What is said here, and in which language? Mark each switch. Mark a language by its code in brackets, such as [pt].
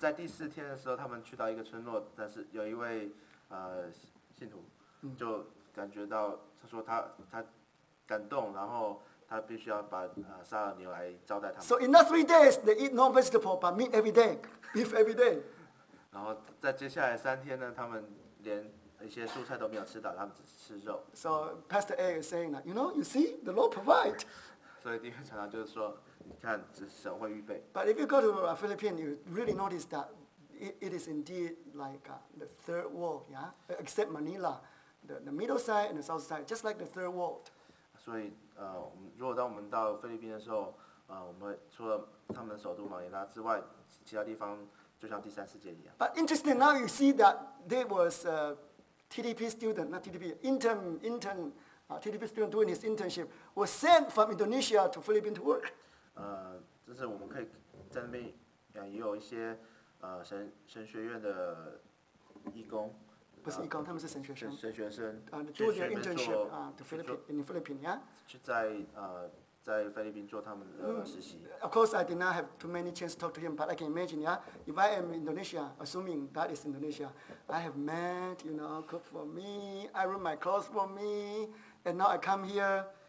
[zh] 在第四天的时候，他们去到一个村落，但是有一位信徒就感觉到，他说他感动，然后他必须要把杀了牛来招待他们。 [en] So in that 3 days, they eat no vegetable but meat every day, beef every day. [zh] 然后在接下来三天呢，他们连一些蔬菜都没有吃到，他们只吃肉。 [en] So Pastor A is saying that, you know, you see, the Lord provide. [zh] 所以弟兄常常就是说，你看，神会预备。 [en] But if you go to a Philippine, you really notice that it is indeed like the third world, yeah, except Manila, the middle side and the south side, just like the third world. [zh] 所以如果当我们到菲律宾的时候，我们除了他们的首都马尼拉之外，其他地方就像第三世界一样。 [en] But interesting, now you see that there was a TDP student, not TDP, TDP student doing his internship was sent from Indonesia to Philippines to work. [zh] 就是我们可以在那边也有一些神学院的义工，不是义工，他们是神学生。神学生。 [en] Do their internship to Philippines in Philippines, yeah. [zh] 去在菲律宾做他们的实习。 [en] Of course, I did not have too many chance to talk to him, but I can imagine, yeah. If I am Indonesia, assuming that is Indonesia, I have met, you know, cook for me, iron my clothes for me, and now I come here.